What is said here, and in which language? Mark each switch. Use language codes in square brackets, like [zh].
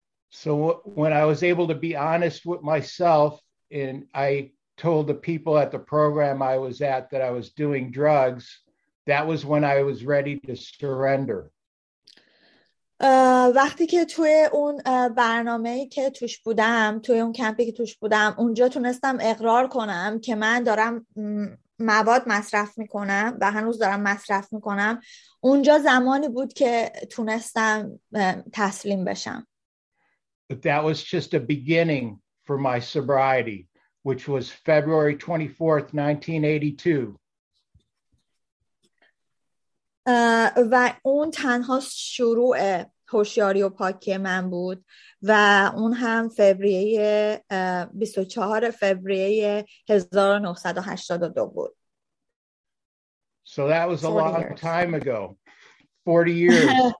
[en] So when I was able to be honest with myself and I told the people at the program I was at that I was doing drugs, that was when I was ready to surrender. [fa] وقتی که توی اون برنامه‌ای که توش بودم، توی اون کمپی که توش بودم، اونجا تونستم اقرار کنم که من دارم مواد مصرف میکنم و هنوز دارم مصرف میکنم، اونجا زمانی بود که تونستم تسلیم بشم. [en] But that was just a beginning for my sobriety, which was February 24th, 1982. [fa] و اون تنها شروع هوشیاری و پاکی من بود و اون هم فوریه 24 فوریه 1982 بود. [en] So that was a long time ago. 40 years.